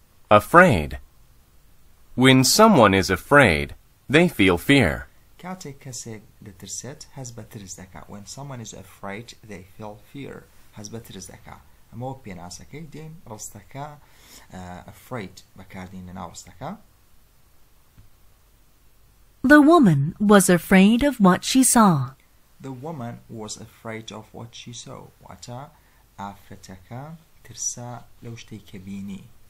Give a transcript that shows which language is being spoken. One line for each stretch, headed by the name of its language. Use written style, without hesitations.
English: Afraid. When someone is afraid, they feel fear.
Central Kurdish: کاتێ کەسێک دەترسێت هەست بە ترس دەکا.
English: When someone is afraid, they feel fear.
Central Kurdish: هەست بە ترس دەکا. ئەمە وەک پێناسەکەی دێن ڕستەکە afraid بەکاردێن لە ناو ڕستەکە.
English: The woman was afraid of what she saw. The woman was afraid of what she saw.
Central Kurdish: واتە ئافرەتەکە ترسە لەو شتەی کە بینی.